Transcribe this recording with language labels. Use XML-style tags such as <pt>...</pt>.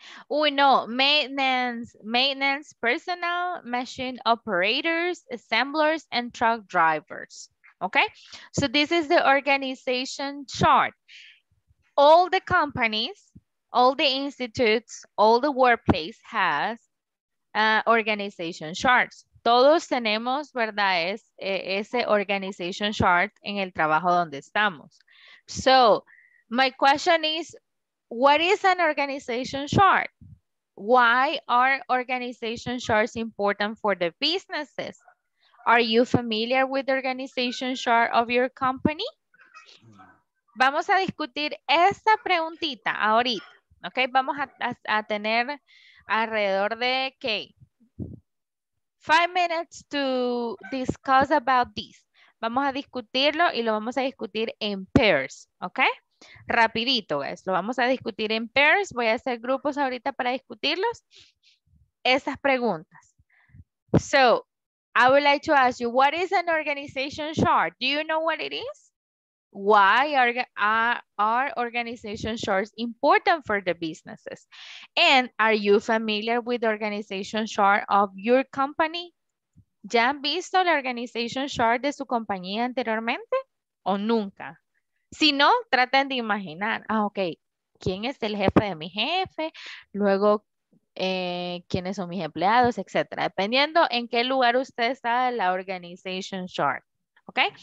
<en>Oh no, maintenance personnel, machine operators, assemblers, and truck drivers. Okay, so this is the organization chart. All the companies, all the institutes, all the workplace has organization charts.</en> <es>Todos tenemos, ¿verdad? Ese organization chart en el trabajo donde estamos.</es> <en>So my question is, what is an organization chart? Why are organization charts important for the businesses? Are you familiar with the organization chart of your company?</en> <es>Vamos a discutir esa preguntita ahorita, ¿ok? Vamos a tener alrededor de, ¿qué?</es> <en>5 minutes to discuss about this.</en> <es>Vamos a discutirlo y lo vamos a discutir en pairs, ¿ok? Rapidito, guys. Lo vamos a discutir en pairs. Voy a hacer grupos ahorita para discutirlos. Esas preguntas.</es> <en>So, I would like to ask you, what is an organization chart? Do you know what it is? Why are organization charts important for the businesses? And are you familiar with the organization chart of your company?</en> <es>¿Ya han visto la organization chart de su compañía anteriormente o nunca? Si no, traten de imaginar, ah, ok, ¿quién es el jefe de mi jefe? Luego, ¿quiénes son mis empleados? Etcétera. Dependiendo en qué lugar usted está en la organization chart, ¿ok?</es>